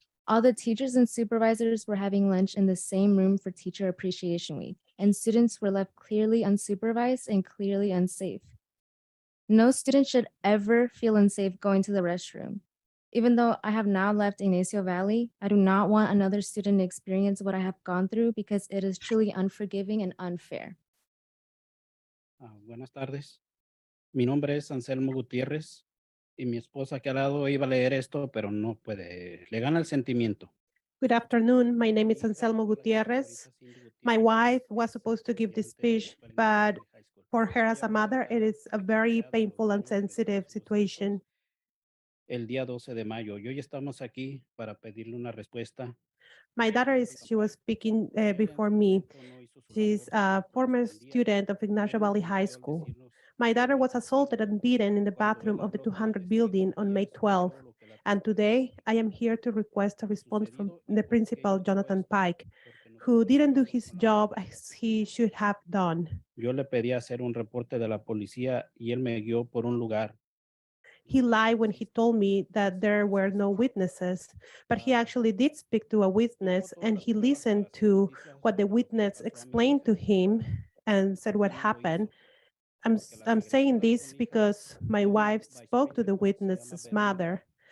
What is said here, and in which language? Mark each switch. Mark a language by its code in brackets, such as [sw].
[en] All the teachers and supervisors were having lunch in the same room for Teacher Appreciation Week, and students were left clearly unsupervised and clearly unsafe. No student should ever feel unsafe going to the restroom. Even though I have now left Ygnacio Valley, I do not want another student to experience what I have gone through because it is truly unforgiving and unfair. [es] Buenas tardes. Mi nombre es Anselmo Gutierrez y mi esposa que al lado iba a leer esto, pero no puede. Le gana el sentimiento. [en] Good afternoon. My name is Anselmo Gutierrez. My wife was supposed to give this speech, but for her as a mother, it is a very painful and sensitive situation. [es] El día 12 de mayo, y hoy estamos aquí para pedirle una respuesta. [en] My daughter is, she was speaking before me. She's a former student of Ygnacio Valley High School. My daughter was assaulted and beaten in the bathroom of the 200 building on May 12th. And today I am here to request a response from the principal, Jonathan Pike, who didn't do his job as he should have done. [es] Yo le pedí hacer un reporte de la policía y él me guió por un lugar. [en] He lied when he told me that there were no witnesses, but he actually did speak to a witness and he listened to what the witness explained to him and said what happened. I'm saying this because my wife spoke to the witness's mother.